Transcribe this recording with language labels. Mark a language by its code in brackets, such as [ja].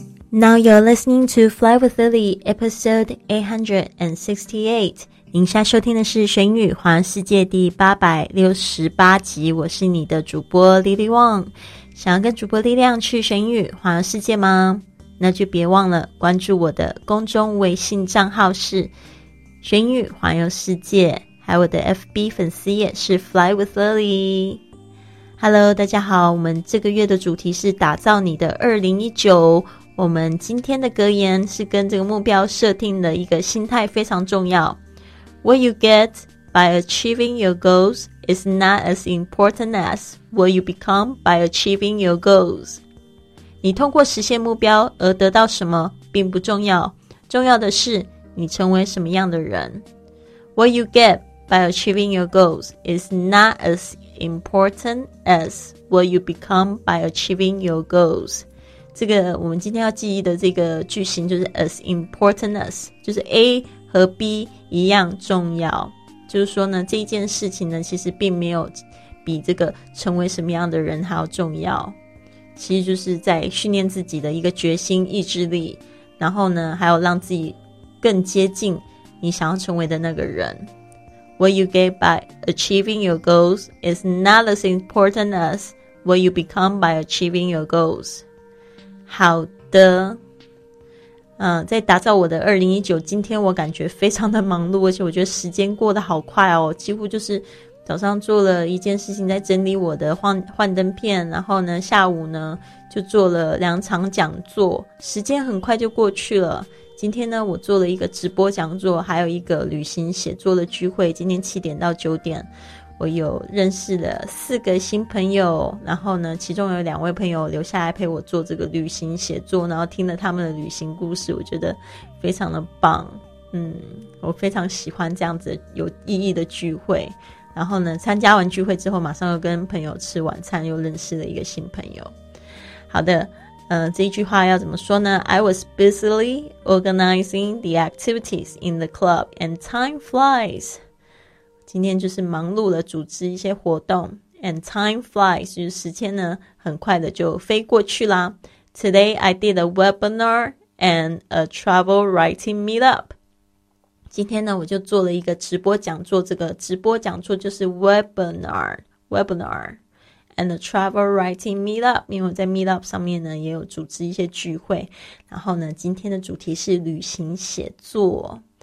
[en] Now you're listening to Fly with Lily, episode 868. [zh] 您现在收听的是《学英语环游世界》第868集，我是你的主播 Lily Wang。想要跟主播力量去学英语环游世界吗？那就别忘了关注我的公众微信账号是《学英语环游世界》，还有我的 FB 粉丝也是 Fly with Lily。 Hello， 大家好，我们这个月的主题是打造你的2019。我们今天的格言是跟这个目标设定的一个心态非常重要。 [en] What you get by achieving your goals is not as important as what you become by achieving your goals. [zh] 你通过实现目标而得到什么并不重要，重要的是你成为什么样的人。 [en] What you get by achieving your goals is not as important as what you become by achieving your goals. [zh] 这个我们今天要记忆的这个句型就是 as important as， 就是 A 和 B 一样重要，就是说呢，这一件事情呢其实并没有比这个成为什么样的人还要重要，其实就是在训练自己的一个决心意志力，然后呢还有让自己更接近你想要成为的那个人。 [en] What you get by achieving your goals is not as important as what you become by achieving your goals。 [zh] 好的，在打造我的2019，今天我感觉非常的忙碌，而且我觉得时间过得好快哦，几乎就是早上做了一件事情，在整理我的幻灯片，然后呢下午呢就做了两场讲座，时间很快就过去了。今天呢我做了一个直播讲座，还有一个旅行写作的聚会，今天7点到9点我有认识了4个新朋友，然后呢其中有2位朋友留下来陪我做这个旅行写作，然后听了他们的旅行故事，我觉得非常的棒。我非常喜欢这样子有意义的聚会，然后呢参加完聚会之后马上又跟朋友吃晚餐，又认识了一个新朋友。好的，这一句话要怎么说呢？ [en] I was busily organizing the activities in the club and time flies. [zh] 今天就是忙碌了组织一些活动， And time flies，就是时间呢很快的就飞过去啦。 [en] Today I did a webinar and a travel writing meetup。 [zh] 今天呢我就做了一个直播讲座，这个直播讲座就是 webinar and a travel writing meetup，因为我在 meetup 上面呢也有组织一些聚会，然后呢今天的主题是旅行写作。